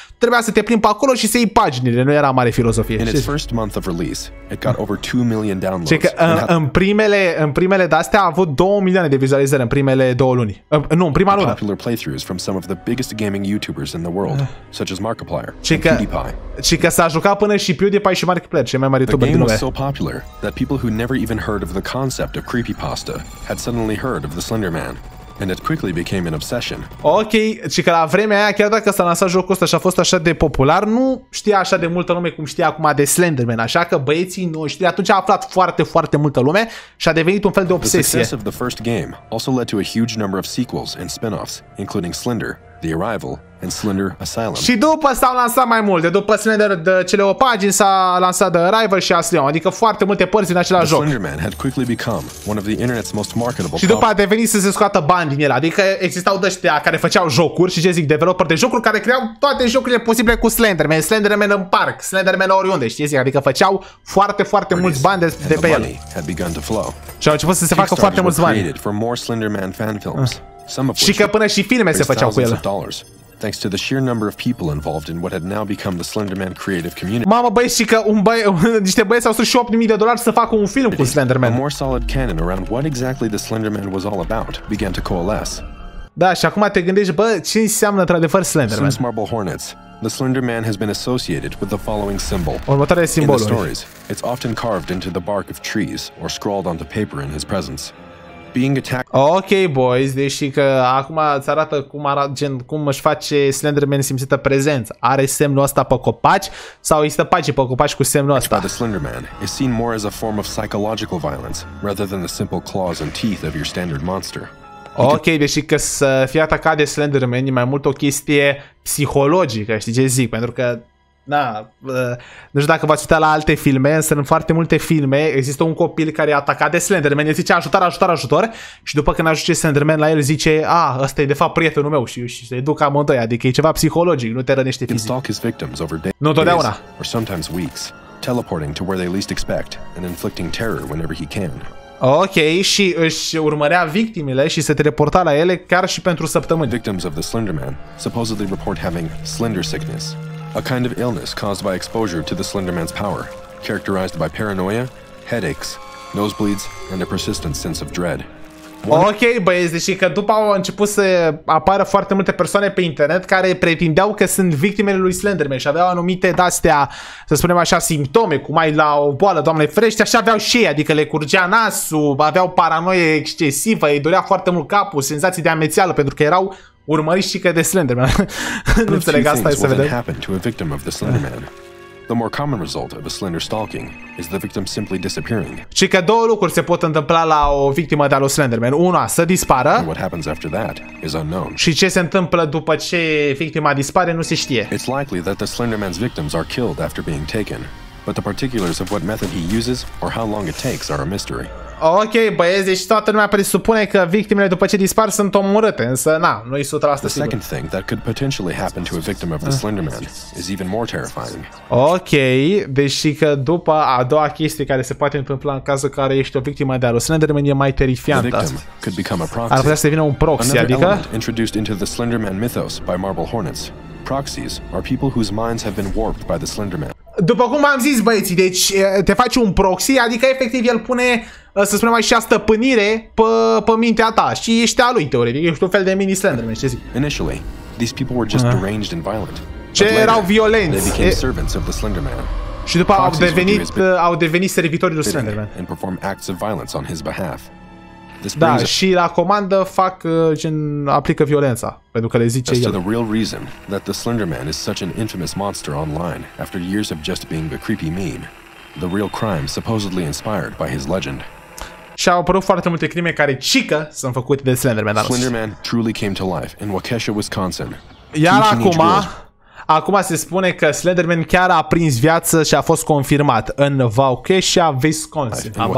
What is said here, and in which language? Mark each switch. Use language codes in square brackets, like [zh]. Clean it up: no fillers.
[ro] Trebuia să te plimbi pe acolo și să iei paginile, nu era mare filozofie. [en] In its first month of release, it got over 2 million downloads. [ro] Că în primele de-astea a avut 2 milioane de vizualizări în primele două luni. Nu, în prima lună. [en] Popular playthroughs from some of the biggest gaming YouTubers in the world, such as Markiplier and PewDiePie. [ro] Și că s-a jucat până și PewDiePie și Markiplier, cei mai mari YouTuberi din lume. [en] The game was so popular that people who never even heard of the concept of creepypasta had suddenly heard of the Slender Man. And it quickly became an obsession. [ro] Ok, și că la vremea aia, chiar dacă s-a lansat jocul ăsta și a fost așa de popular, nu știa așa de multă lume cum știa acum de Slenderman, așa că băieții noștri atunci a aflat foarte, foarte multă lume și a devenit un fel de obsesie. [en] The success of the first game also led to a huge number of sequels and spin-offs, including Slender, The Arrival, and Slender Asylum. [ro] Și după s-au lansat mai multe, după Slender de cele 8 pagini s-a lansat The Arrival și Asylum, adică foarte multe părți din același joc. [en] Slenderman had quickly become one of the internet's most marketable. [ro] Și după a devenit să se scoată bani din el, adică existau ăștia care făceau jocuri și ce zic, developer de jocuri care creau toate jocurile posibile cu Slenderman, Slenderman în parc, Slenderman oriunde, știi zic, adică făceau foarte, foarte mulți bani de pe el. [en] Had begun to flow. [ro] Și au început să se facă foarte mulți bani. [en] For more Slenderman fan films. Some of [ro] și că până și filme se făceau cu el. [en] Thanks to the sheer number of people involved in what had now become the Slenderman creative community. [ro] Mama, băi, și că niște băieți au strâns și 8.000 de dolari să facă un film cu Slenderman. [en] A more solid canon around what exactly the Slenderman was all about began to coalesce. [ro] Da, și acum te gândești, bă, ce înseamnă într-adevăr Slenderman? [en] Since Marble Hornets, the Slenderman has been associated with the following symbol. [ro] Următoarele simboluri. [en] In the stories, it's often carved into the bark of trees or scrawled onto paper in his presence. Being attacked. [ro] Ok, boys, deși că acum îți arată cum arată, gen, cum își face Slenderman simțită prezența. Are semnul ăsta pe copaci sau îi stă pagii pe copaci cu semnul ăsta? [en] The Slenderman is seen more as a form of psychological violence rather than the simple claws and teeth of your standard monster. [ro] Ok, deși că să fie atacat de Slenderman e mai mult o chestie psihologică, știi ce zic? Pentru că na, nu știu dacă v-ați uitat la alte filme, însă în foarte multe filme există un copil care e atacat de Slenderman, el zice ajutor, ajutor, ajutor și după când ajunge Slenderman la el zice a, ăsta e de fapt prietenul meu și se duc amândoi, adică e ceva psihologic, nu te rănește fizic. Nu totdeauna. [en] Or sometimes weeks, teleporting to where they least expect and inflicting terror whenever he can. [ro] Ok, și își urmărea victimele și se teleporta la ele chiar și pentru săptămâni. [en] Victims of the Slenderman supposedly report having Slender sickness. A kind of illness caused by exposure to the Slenderman's power, characterized by paranoia, headaches, nosebleeds, and a persistent sense of dread. [ro] Ok, băieți, deci că după au început să apară foarte multe persoane pe internet care pretindeau că sunt victimele lui Slenderman și aveau anumite de-astea, să spunem așa, simptome, cum ai la o boală, doamne ferește, așa aveau și ei, adică le curgea nasul, aveau paranoia excesivă, îi durea foarte mult capul, senzații de amețeală, pentru că erau urmăriți și că de Slenderman. Nu înțeleg, asta e să vedem. [en] To a victim of the Slenderman. The more common result of a slender stalking is the victim simply disappearing. [ro] Și că două lucruri se pot întâmpla la o victimă de al lui Slenderman. Una, să dispară. [en] And what happens after that is unknown. [ro] Și ce se întâmplă după ce victima dispare nu se știe. [en] It's likely that the Slenderman's victims are killed after being taken, but the particulars of what method he uses or how long it takes are a mystery. [ro] Ok, băieți, deci toată lumea presupune că victimele după ce dispar sunt omorâte, însă na, nu e 100% sigur. [en] The second thing that could potentially happen to a victim of the Slenderman is even more terrifying. [ro] Ok, deși că după a doua chestie care se poate întâmpla în cazul în care ești o victimă de al Slenderman e mai terifiantă. Ar putea să devină un proxy, adică [en] introduced into the Slenderman mythos by Marble Hornets. Proxies are people whose minds have been warped by the Slenderman. [ro] După cum am zis, băieții, deci te faci un proxy, adică efectiv el pune, să spunem așa, stăpânire pe mintea ta și ești a lui, teoretic, ești un fel de mini Slenderman, ce zic? [en] Initially, these people were just deranged and violent. [ro] Ce erau violenți? [en] They became servants of the Slenderman. [ro] Și după au devenit servitorii lui Slenderman. [en] And perform acts of violence on his behalf. [ro] Da, și la comandă fac gen aplică violența, pentru că le zice el. [en] The real reason that the Slenderman is such an infamous monster online after years of just being a creepy meme. The real crime supposedly inspired by his legend. [ro] Și au apărut foarte multe crime care cică sunt făcute de Slenderman. [en] Slenderman truly came to life in Waukesha, Wisconsin. [ro] Iar acum se spune că Slenderman chiar a prins viață și a fost confirmat în Waukesha, Wisconsin.